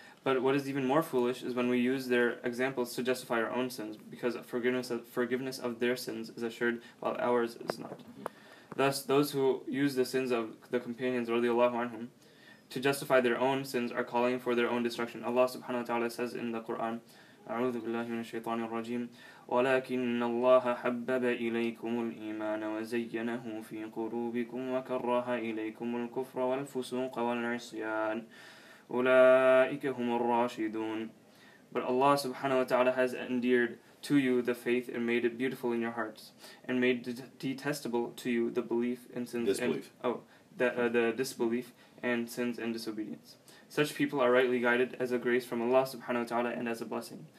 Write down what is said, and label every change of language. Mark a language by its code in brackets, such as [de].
[en] But what is even more foolish is when we use their examples to justify our own sins, because forgiveness of their sins is assured while ours is not. Thus, those who use the sins of the companions radiallahu anhum to justify their own sins are calling for their own destruction. Allah subhanahu wa ta'ala says in the Quran, [ar] أعوذ بالله من الشيطان الرجيم ولكن الله حبب إليكم الإيمان وزينه في قلوبكم وكره إليكم الكفر والفسوق والعصيان أولئك هم الراشدون. [en] But Allah subhanahu wa ta'ala has endeared to you the faith and made it beautiful in your hearts, and made detestable to you the belief in sins. Disbelief. The disbelief and sins and disobedience. Such people are rightly guided as a grace from Allah subhanahu wa ta'ala and as a blessing.